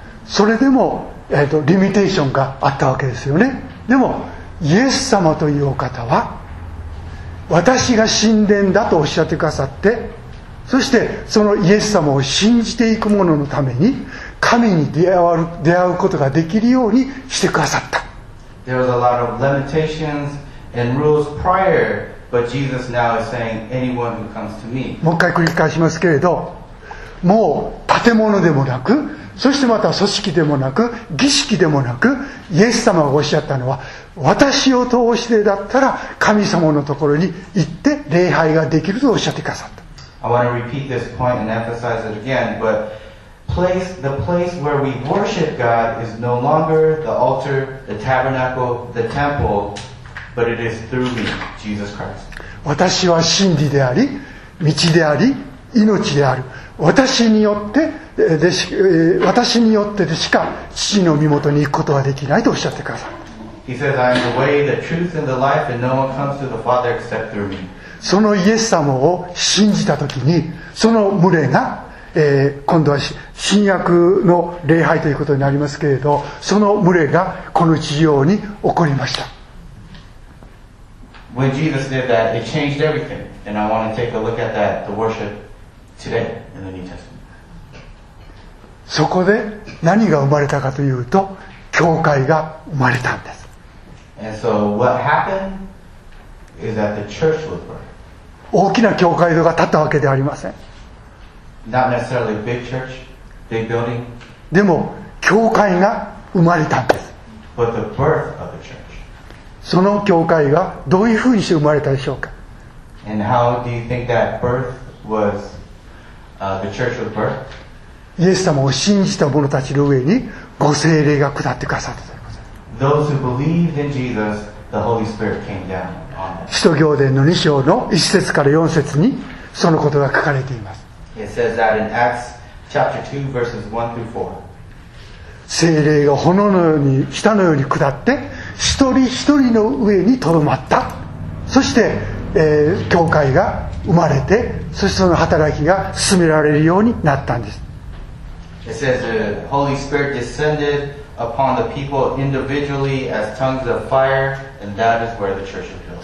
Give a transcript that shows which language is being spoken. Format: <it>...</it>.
<ja>それでもリミテーションがあったわけですよね。でもイエス様というお方は私が神殿だとおっしゃってくださって、そしてそのイエス様を信じていく者のために神に出会うことができるようにしてくださった。</ja> <en>There was a lot of limitations and rules prior, but Jesus now is saying anyone who comes to me.</en> <ja>もう一回繰り返しますけれど、もう建物でもなく、そしてまた組織でもなく儀式でもなく、イエス様がおっしゃったのは私を通してだったら神様のところに行って礼拝ができるとおっしゃってくださった。</ja> <en>I want to repeat this point and emphasize it again, but the place where we worship God is no longer the altar, the tabernacle, the temple, but it is through me, Jesus Christ.</en> <ja>私は真理であり道であり命である、私によってでしか父の身元に行くことはできないとおっしゃってください。</ja> <en>He says, I am the way, the truth, and the life, and no one comes to the Father except through me.</en> <ja>そのイエス様を信じたときに、その群れが、今度は新約の礼拝ということになりますけれど、その群れがこの地上に起こりました。</ja> <en>When Jesus did that, it changed everything. And I want to take a look at that, the worship. Today, in the New Testament.</en> <ja>そこで何が生まれたかというと教会が生まれたんです。</ja> <en>And so what happened is that the church was born.</en> <ja>大きな教会堂が建ったわけではありません。</ja> <en>Not necessarily big church, big building.</en> <ja>でも教会が生まれたんです。</ja> <en>But the birth of the church.</en> <ja>その教会がどういうふうにして生まれたでしょうか。</ja> <en>And how do you think that birth wasthe church was birthed.</en> <ja>イエス様を信じた者たちの上にご聖霊が下ってくださったということです。</ja> <en>Those who believed in Jesus, the Holy Spirit came down on them.</en> <ja>使徒行伝の2章の1節から4節にそのことが書かれています。</ja> <en>It says that in Acts chapter 2 verses 1 through 4.</en> <ja>聖霊が炎のように下のように下って一人一人の上にとどまった。そして、教会が生まれて、そしてその働きが進められるようになったんです。</ja> <en>It says the Holy Spirit descended upon the people individually as tongues of fire, and that is where the church was built.</en>